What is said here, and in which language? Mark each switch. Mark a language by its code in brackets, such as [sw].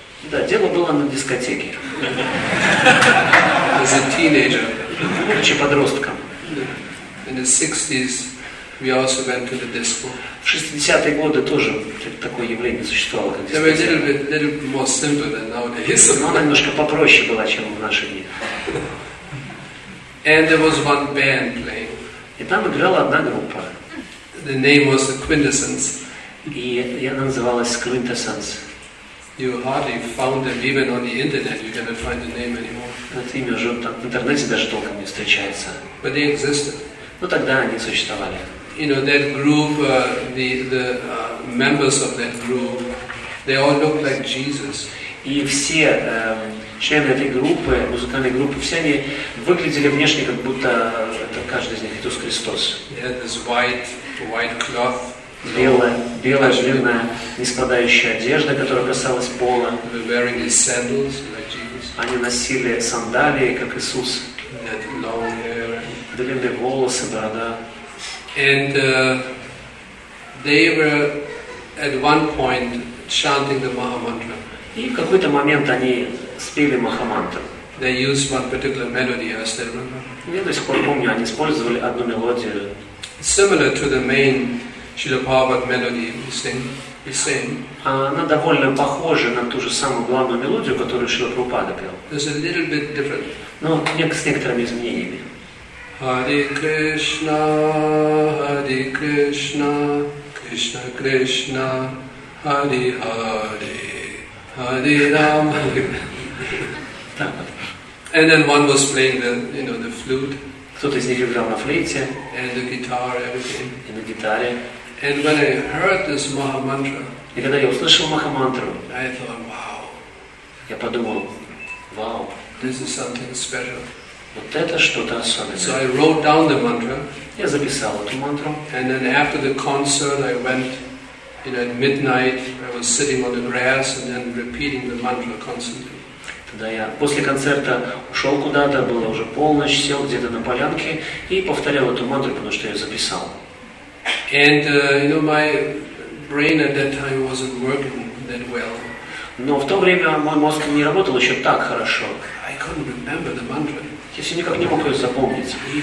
[ru] Да, дело было на дискотеке. [en] As a teenager. [ru] Будучи подростком. [en] In the 60s we also went to the disco. [ru] В 60-е годы тоже такое явление существовало, как дискотека. [en] They were a little more simple than nowadays. [ru] Но она немножко попроще была, чем в наши дни. [en] And there was one band playing. [ru] И там играла одна группа. [en] The name was the Quintessence. [ru] И она называлась Quintessence. [en] You hardly found them even on the internet. You cannot find the name anymore. [ru] Это имя уже там, в интернете даже толком не встречается. [en] But they existed. [ru] Но тогда они существовали. [en] You know that group, the members of that group, they all look like Jesus. [ru] И все члены этой группы, музыкальной группы, все они выглядели внешне как будто это каждый из них Иисус Христос. [en] They had this white cloth. [ru] Белая длинная ниспадающая одежда, которая касалась пола. [en] They were wearing these sandals like Jesus. [ru] Они носили сандалии, как Иисус. [en] That long hair. [ru] Длинные волосы, борода. [en] And they were at one point chanting the Mahamantra. [ru] И в какой-то момент они спели Махамантру. [en] They used one particular melody, I still remember. [ru] Я до сих пор помню, они использовали одну мелодию. [en] Similar to the main Srila Prabhupada melody, the same. [ru] Она довольно похожа на ту же самую главную мелодию, которую Шрила Прабхупада пел. [en] It's a little bit different. [ru] Но с некоторыми изменениями. [sa] Hare Krishna, Hare Krishna, Krishna Krishna, Hare Hare, Hare Rama. [en] And then one was playing the flute. [ru] Кто-то из них играл на флейте. [en] And the guitar, everything. [ru] И на гитаре. [en] And when I heard this Mahamantra, [ru] и когда я услышал Махамантру, [en] I thought, wow. [ru] Я подумал, вау. [en] This is something special. [ru] Вот это что-то особенное. [en] So I wrote down the mantra. [ru] Я записал эту мантру. [en] And then after the concert, I went, at midnight, I was sitting on the grass and then repeating the mantra constantly. [ru] Тогда я после концерта ушел куда-то, было уже полночь, сел где-то на полянке и повторял эту мантру, потому что я записал. [en] And my brain at that time wasn't working that well. [ru] Но в то время мой мозг не работал еще так хорошо. [en] I couldn't remember the mantra. [ru] То есть я никак не мог ее запомнить.